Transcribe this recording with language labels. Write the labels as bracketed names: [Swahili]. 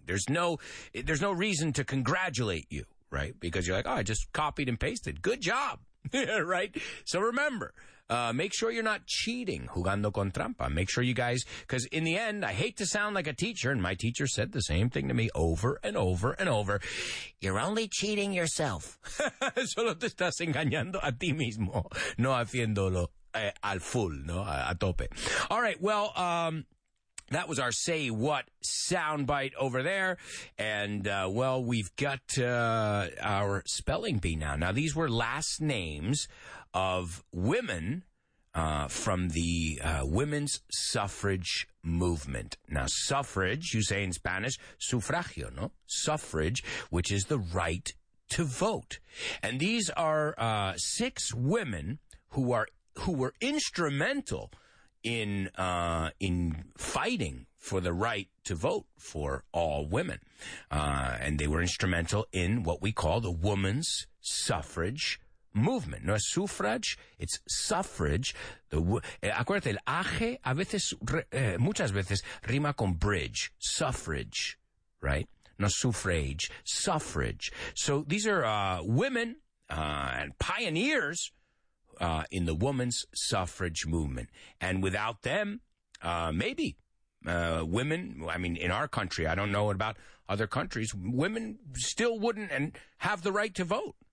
[English] There's no reason to congratulate you, right? Because you're like, oh, I just copied and pasted. Good job, right? So remember, make sure you're not cheating, [Spanish] jugando con trampa. [English] Make sure you guys, because in the end, I hate to sound like a teacher, and my teacher said the same thing to me over and over and over. You're only cheating yourself. [Spanish] Solo te estás engañando a ti mismo, no haciéndolo al full, no, a tope. [English] All right, well, that was our Say What soundbite over there. And, we've got our spelling bee now. Now, these were last names of women from the women's suffrage movement. Now, suffrage, you say in Spanish, [Spanish] sufragio, no? [English] Suffrage, which is the right to vote. And these are six women who were instrumental in fighting for the right to vote for all women. And they were instrumental in what we call the woman's suffrage movement. [Spanish] No es [English] suffrage, it's suffrage. [Spanish] Acuérdate, el aje a veces, muchas veces, rima con bridge. [English] Suffrage, right? No suffrage, suffrage. So these are women and pioneers in the women's suffrage movement. And without them, women, I mean, in our country, I don't know about other countries, women still wouldn't and have the right to vote.